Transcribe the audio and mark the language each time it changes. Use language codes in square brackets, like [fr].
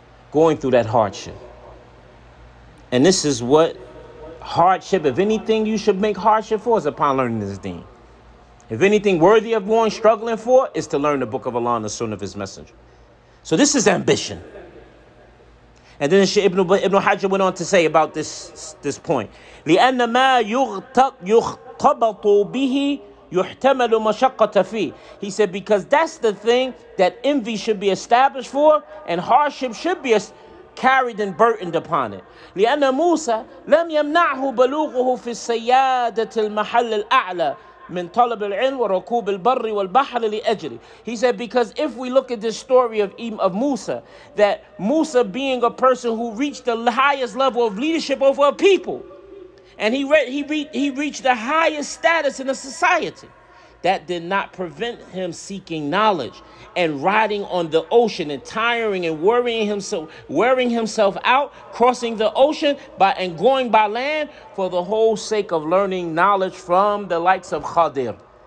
[en] Going through that hardship. And this is what hardship, if anything you should make hardship for is upon learning this deen. If anything worthy of one struggling for is to learn the book of Allah and the sunnah of his messenger. So this is ambition. And then Ibn Hajar went on to say about this point. [ar] لأن ما يختبط به يحتمل مشقة فيه. [en] He said, because that's the thing that envy should be established for and hardship should be carried and burdened upon it. [ar] لأن موسى لم يمنعه بلوغه في السيادة المحل الأعلى من طلب العلم وركوب البر والبحر لأجله. [en] He said, because if we look at the story of Musa, that Musa being a person who reached the highest level of leadership over a people, and he reached the highest status in a society, that did not prevent him seeking knowledge and riding on the ocean and tiring and wearing himself out, crossing the ocean going by land for the whole sake of learning knowledge from the likes of Khadir.